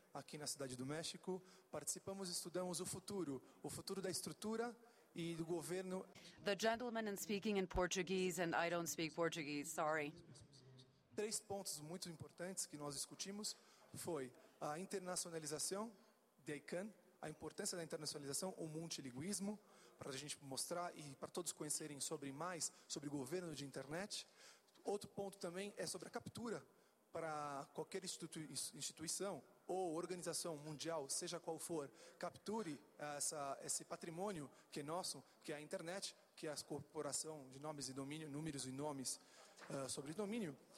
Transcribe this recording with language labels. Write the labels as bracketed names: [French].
[Portuguese] Aqui na cidade do México, participamos e estudamos o futuro da estrutura e do governo. [English] The gentleman is speaking in Portuguese and I don't speak Portuguese, sorry. [Portuguese] Três pontos muito importantes que nós discutimos foi a internacionalização da ICANN, a importância da internacionalização, o multilinguismo, para a gente mostrar e para todos conhecerem sobre mais sobre governo de internet. Outro ponto também é sobre a captura para qualquer instituição ou organização mundial, seja qual for, capture esse patrimônio que é nosso, que é a internet, que é a corporação de nomes e domínio, números e nomes sobre domínio.